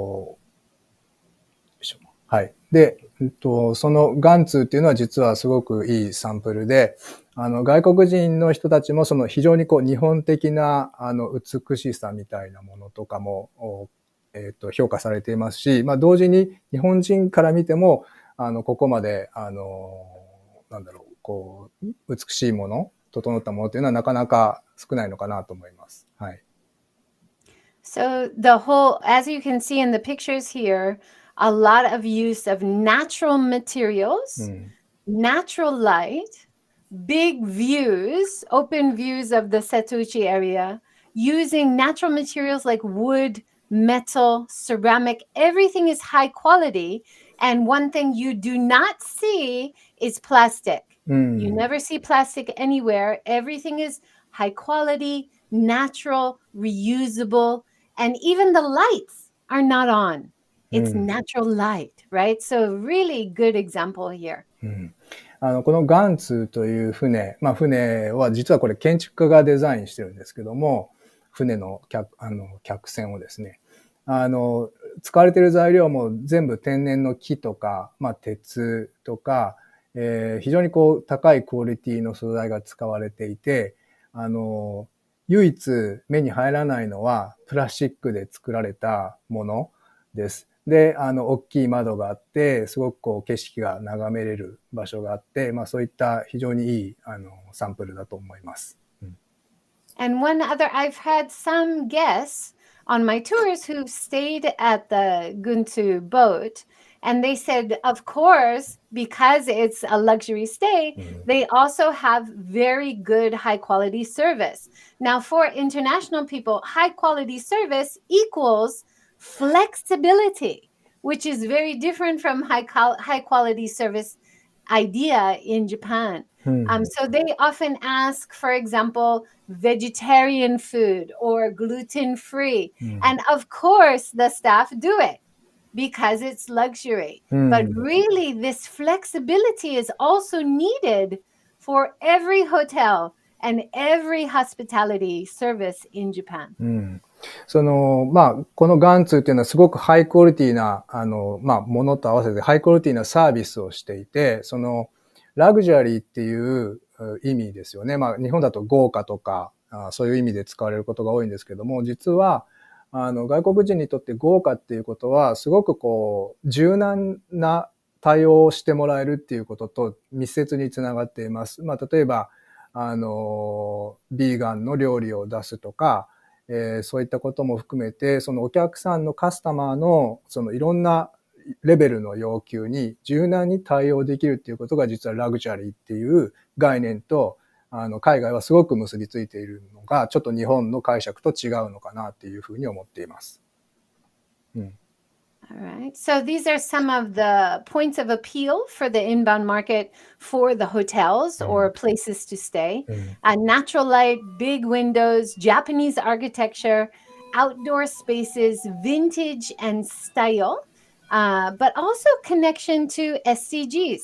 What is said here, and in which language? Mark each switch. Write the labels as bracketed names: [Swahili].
[Japanese] よいしょ。はい。で、そのガンツーっていうのは実はすごくいいサンプルで、外国人の人たちもその非常にこう日本的な美しさみたいなものとかも、評価されていますし、まあ同時に日本人から見ても、ここまで、なんだろう、美しいもの、整ったものというのはなかなか少ないのかなと思います。はい。 [English] So the whole, as you can see in the pictures here, a lot of use of natural materials,、うん、natural light, big views, open views of the Setouchi area, using natural materials like wood, metal, ceramic, everything is high quality, and one thing you do not see is plasticYou never see plastic anywhere. Everything is high quality, natural, reusable, and even the lights are not on. It's natural light, right? So really good example here. [Japanese] このガンツーという船、まあ船は実はこれ建築家がデザインしてるんですけども、船の客船をですね、使われている材料も全部天然の木とか、まあ鉄とか、非常にこう高いクオリティの素材が使われていて、唯一目に入らないのはプラスチックで作られたものです。で、大きい窓があって、すごくこう景色が眺めれる場所があって、まあそういった非常にいいサンプルだと思います。 [English] And one other, I've had some guests on my tours who've stayed at the Guntur boat. And they said, of course, because it's a luxury stay, they also have very good high quality service. Now, for international people, high quality service equals flexibility, which is very different from high quality service idea in Japan. So they often ask, for example, vegetarian food or gluten free. And of course, the staff do it. Because it's luxury. But really, this flexibility is also needed for every hotel and every hospitality service in Japan. [Japanese] まあ、このガンツーっていうのはすごくハイクオリティな、まあ、ものと合わせてハイクオリティなサービスをしていて、そのラグジュアリーっていう意味ですよね。まあ、日本だと豪華とか、そういう意味で使われることが多いんですけども、実は、外国人にとって豪華っていうことは、すごくこう、柔軟な対応をしてもらえるっていうことと密接につながっています。まあ、例えば、ビーガンの料理を出すとか、そういったことも含めて、そのお客さんのカスタマーの、そのいろんなレベルの要求に柔軟に対応できるっていうことが、実はラグジュアリーっていう概念と、海外はすごく結びついているのが、ちょっと日本の解釈と違うのかなっていうふうに思っています。 [English] All right. So these are some of the points of appeal for the inbound market for the hotels or places to stay. Natural light, big windows, Japanese architecture, outdoor spaces, vintage and style, but also connection to SDGs.